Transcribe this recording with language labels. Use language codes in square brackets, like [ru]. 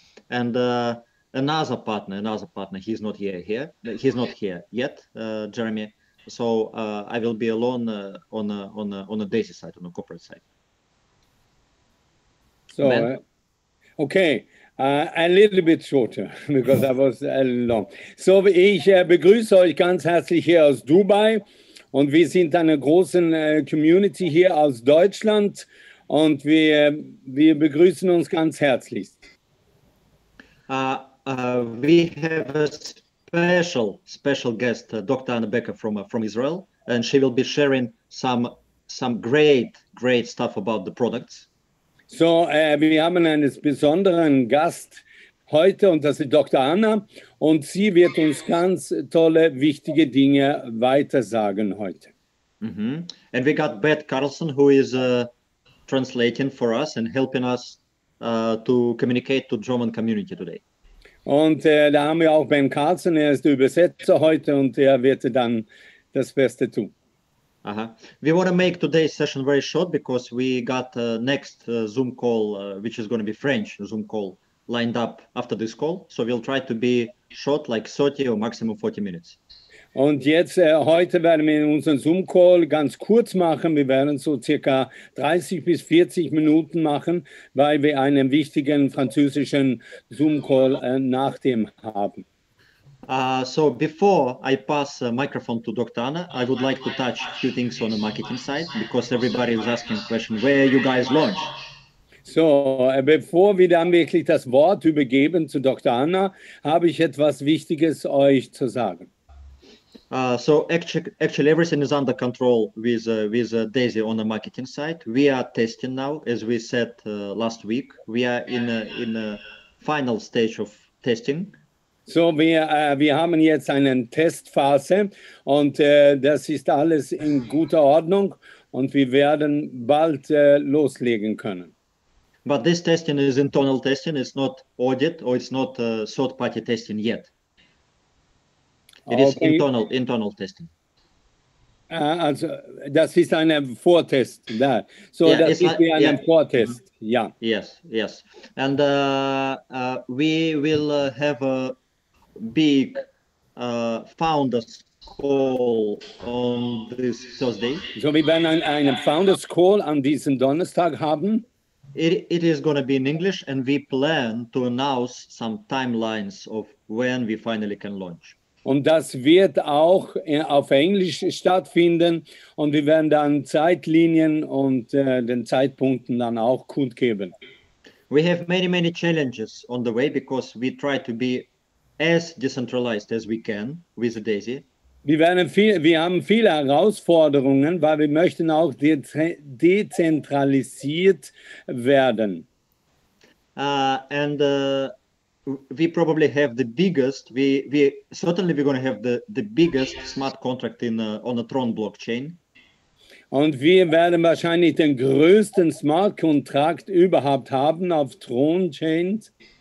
[en] And another partner, he's not here yet, Jeremy. So I will be alone on the Daisy side, on the corporate side. So, okay, a little bit shorter, because I was long. [de] So ich begrüße euch ganz herzlich hier aus Dubai und wir sind eine große Community hier aus Deutschland und wir begrüßen uns ganz herzlich. [en] We have a special guest, Dr. Anna Becker from Israel, and she will be sharing some great stuff about the products. [de] So wir haben einen besonderen Gast heute und das ist Dr. Anna und sie wird uns ganz tolle wichtige Dinge weitersagen heute. Mm-hmm. [en] And we got Beth Carlson, who is translating for us and helping us to communicate to German community today. [de] Und da haben wir auch Ben Carlson, er ist der Übersetzer heute und er wird dann das Beste tun. Aha. [en] We want to make today's session very short because we got next Zoom call, which is going to be French Zoom call, lined up after this call. So we'll try to be short, like 30 or maximum 40 minutes. [de] Und jetzt, heute werden wir unseren Zoom-Call ganz kurz machen. Wir werden so circa 30 bis 40 Minuten machen, weil wir einen wichtigen französischen Zoom-Call nach dem haben. [en] So before I pass the microphone to Dr. Anna, I would like to touch a few things on the marketing side, because everybody is asking a question, where you guys launch? [de] So, bevor wir dann wirklich das Wort übergeben zu Dr. Anna, habe ich etwas Wichtiges euch zu sagen. [en] So actually everything is under control with Daisy on the marketing side. We are testing now, as we said last week. We are in a final stage of testing. [de] So wir haben jetzt eine Testphase und das ist alles in guter Ordnung und wir werden bald loslegen können. [en] But this testing is internal testing. It's not audit or it's not third party testing yet. It is okay. internal testing. [de] Also, das ist eine Vortest. Da. So, yeah, das ist like, wie eine Vortest. Yeah. Ja. [en] Yes, yes. And we will have a big founders call on this Thursday. [de] So, wir werden einen founders call an diesem Donnerstag haben. [en] It is going to be in English, and we plan to announce some timelines of when we finally can launch. [de] Und das wird auch auf Englisch stattfinden und wir werden dann Zeitlinien und den Zeitpunkten dann auch kundgeben. [en] We have many, many challenges on the way because we try to be as decentralized as we can with the Daisy. [de] Wir haben viele Herausforderungen, weil wir möchten auch dezentralisiert werden. [en] We probably have the biggest. We're going to have the biggest smart contract in on the Tron blockchain. [de] Und wir werden wahrscheinlich den größten Smart Contract überhaupt haben auf Tron Chains.